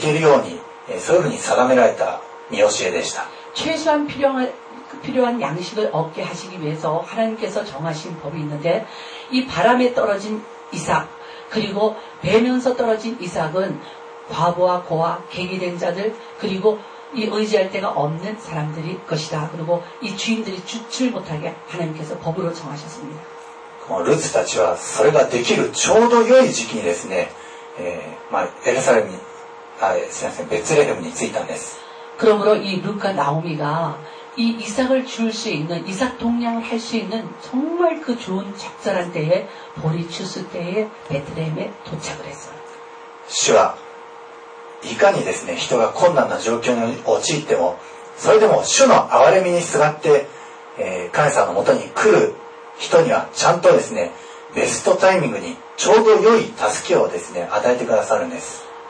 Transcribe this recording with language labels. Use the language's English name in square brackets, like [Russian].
[Korean] 실정입니다. [Japanese] でも当時のイスラエルでは神様が公認のそのこと落ち穂拾いをですね、その弱い人や山芽や孤児のために神様がちゃんとですね、彼らが生きていけるようにそういうふうに定められた見教えでした。 [Korean] 최소한 필요한 양식을 얻게 하시기 위해서 하나님께서 정하신 법이 있는데 이 바람에 떨어진 이삭 그리고 베면서 떨어진 이삭은 과부와 고아, 객이 된 자들 그리고 이 의지할 데가 없는 사람들이 것이다. 그리고 이 주인들이 주출 못하게 하나님께서 법으로 정하셨습니다. [Japanese] 루스たちはそれができるちょうど良い時期にですね、エルサレムに、すみません、ベツレヘムに着いたんです。 [Korean] 그러므로 이 룻과 나오미가 이 이삭을 줄 수 있는 이삭 동량을 할 수 있는 정말 그 좋은 적절한 때에 보리 추수 때에 베들레헴에 도착을 했어요. [Japanese] 主はいかにですね人が困難な状況に陥ってもそれでも主の憐みにすがって神様の元に来る人にはちゃんとですねベストタイミングにちょうど良い助けをですね与えてくださるんです。